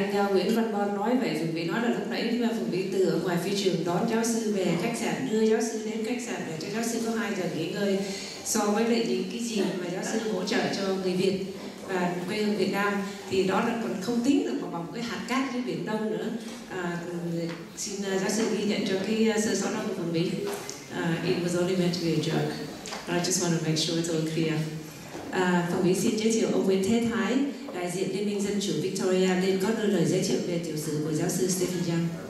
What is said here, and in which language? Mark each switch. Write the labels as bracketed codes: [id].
[vi] Nguyễn Văn Bon nói vậy, Phùng Vĩ nói là lúc nãy mà Phùng Vĩ từ ở ngoài phi trường đón giáo sư về khách sạn, đưa giáo sư đến khách sạn để cho giáo sư có 2 giờ nghỉ ngơi, so với lại những cái gì mà giáo sư hỗ trợ cho người Việt và quê hương Việt Nam, thì đó là còn không tính được vào cái hạt cát dưới Biển Đông nữa. Xin giáo sư ghi nhận cho cái sự so sánh của Phùng Vĩ. [en] It was only meant to be a joke, but I just want to make sure it's all clear. [vi] Phùng Vĩ xin giới thiệu ông Nguyễn Thế Thái, đại diện Liên minh Dân chủ Victoria, nên có đôi lời giới thiệu về tiểu sử của giáo sư Stephen Young.